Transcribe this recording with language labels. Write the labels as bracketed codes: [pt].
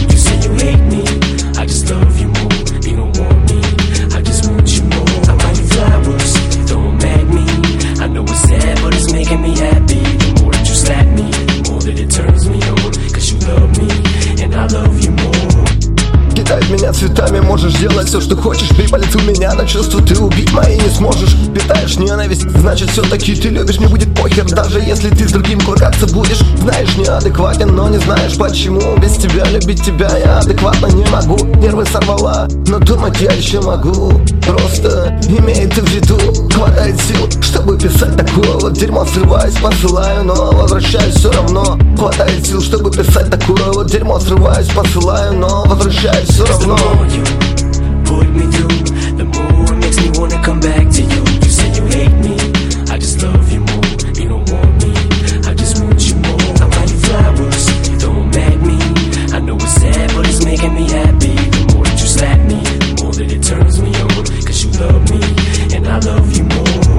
[en] You say you hate me, I just love you more. You don't want me, I just want you more. I buy you flowers, don't mad me. I know it's sad, but it's making me happy. The more that you slap me, the more that it turns me on. Cause you love me, and I love you more. [ru] Кидай в меня цветами, можешь делать все, что хочешь. Приболит у меня на чувства, ты убить мои не сможешь. Питаешь ненависть, значит все-таки ты любишь. Мне будет похер, даже если ты с другим кургаться будешь. Знаешь, неадекватен, но не знаешь почему. Без тебя любить тебя я адекватно не могу. Нервы сорвала, но думать я еще могу. Просто имей это в виду. Хватает сил, чтобы писать такое вот дерьмо. Срываюсь, посылаю, но возвращаюсь все равно. Хватает сил, чтобы писать такое вот дерьмо. Срываюсь, посылаю, но возвращаюсь. [en] Cause the more you put me through, the more it makes me wanna come back to you. You said you hate me, I just love you more. You don't want me, I just want you more. I buy you flowers, don't mad me. I know it's sad, but it's making me happy. The more that you slap me, the more that it turns me on. Cause you love me, and I love you more.